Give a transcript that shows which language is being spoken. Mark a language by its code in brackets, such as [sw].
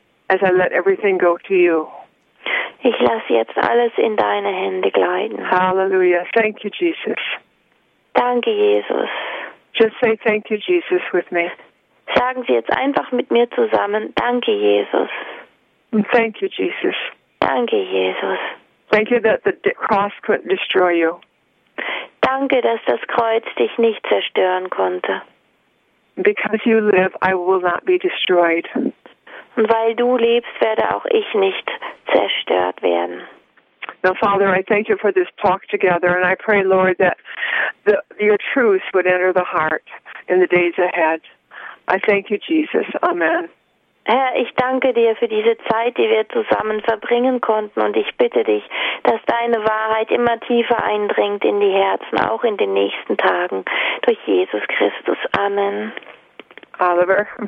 [en] As I let everything go to you. [de] Ich lasse jetzt alles in deine Hände gleiten. [en] Hallelujah. Thank you, Jesus. [de] Danke, Jesus. [en] Just say thank you, Jesus, with me. [de] Sagen Sie jetzt einfach mit mir zusammen, danke, Jesus. [en] Thank you, Jesus. [de] Danke, Jesus. [en] Thank you that the cross couldn't destroy you. [de] Danke, dass das Kreuz dich nicht zerstören konnte. [en] Because you live, I will not be destroyed. [de] Und weil du lebst, werde auch ich nicht zerstört werden. [en] Now, Father, I thank you for this talk together, and I pray, Lord, that your truth would enter the heart in the days ahead. I thank you, Jesus. Amen. [de] Herr, ich danke dir für diese Zeit, die wir zusammen verbringen konnten, und ich bitte dich, dass deine Wahrheit immer tiefer eindringt in die Herzen, auch in den nächsten Tagen, durch Jesus Christus. Amen. Oliver.